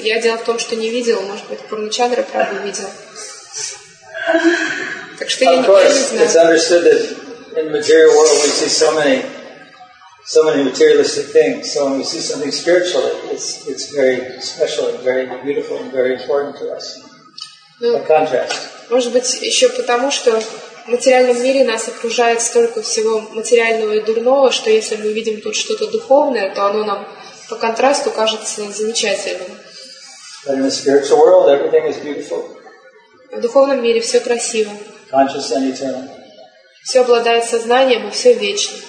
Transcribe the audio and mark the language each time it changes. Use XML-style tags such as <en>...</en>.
<ru>Я дело в том, что не видел, может быть, Пурначандра правда видел. Так что я не знаю.</ru> <en>It's understood that in the material world we see so many materialistic things. So when we see something spiritual, it's very special and very beautiful and very important to us.</en> <ru>Ну,</ru> <en>a contrast.</en> <ru>Может быть, еще потому, что в материальном мире нас окружает столько всего материального и дурного, что если мы видим тут что-то духовное, то оно нам по контрасту кажется замечательным.</ru> <en>But in the spiritual world, everything is beautiful.</en> <ru>В духовном мире все красиво.</ru> <en>Conscious and eternal.</en> <ru>Все обладает сознанием, и все вечно.</ru>